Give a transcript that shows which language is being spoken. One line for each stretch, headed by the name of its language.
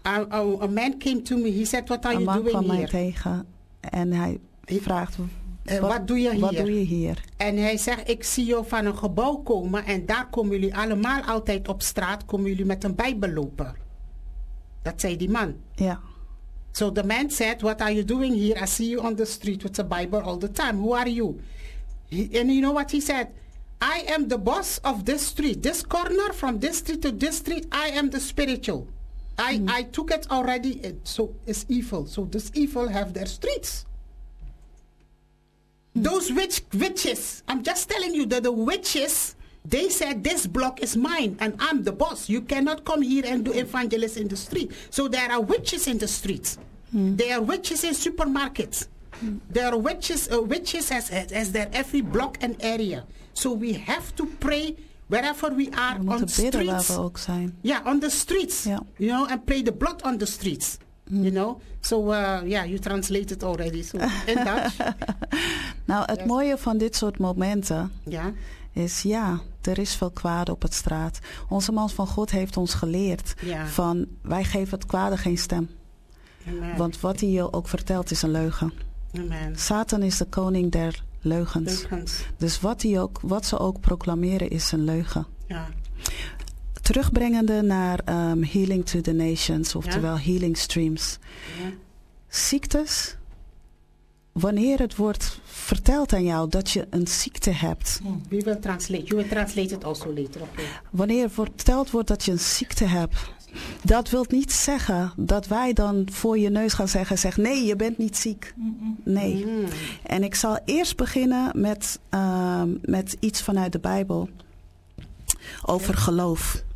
English: A man came to me. He said, "What are a you doing here?" A man
Dutch: kwam mij tegen en hij vraagt,
English: "What do you here?"
Dutch: En hij zegt, "Ik zie jou van een gebouw komen en daar komen jullie allemaal altijd op straat. Komen jullie met een Bijbel lopen?" Dat zei die man. Ja. Yeah.
English: So the man said, "What are you doing here? I see you on the street with a Bible all the time. Who are you?" And you know what he said? "I am the boss of this street, this corner from this street to this street. I am the spiritual. I took it already. So it's evil. So this evil have their streets. Those witches. I'm just telling you that the witches, they said this block is mine and I'm the boss. You cannot come here and do evangelist in the street. So there are witches in the streets. There are witches in supermarkets. There are witches as their every block and area. So we have to pray wherever we are on the streets.
Dutch: Ook zijn.
English: Yeah, on the streets. Yeah. You know, and pray the blood on the streets. Mm. You know? So you translated already. So in Dutch.
Dutch: Nou, het mooie van dit soort momenten. Ja. Is ja, er is veel kwaad op het straat. Onze man van God heeft ons geleerd van wij geven het kwade geen stem. Amen. Want wat hij je ook vertelt is een leugen. Amen. Satan is de koning der leugens. Dus wat ze ook proclameren is een leugen. Ja. Terugbrengende naar Healing to the Nations, oftewel Healing Streams. Ja. Ziektes, wanneer het wordt verteld aan jou dat je een ziekte hebt.
English: We will translate. You will translate it also later. Okay.
Dutch: Wanneer verteld wordt dat je een ziekte hebt. Dat wil niet zeggen dat wij dan voor je neus gaan zeggen, nee, je bent niet ziek. Nee. En ik zal eerst beginnen met iets vanuit de Bijbel over geloof.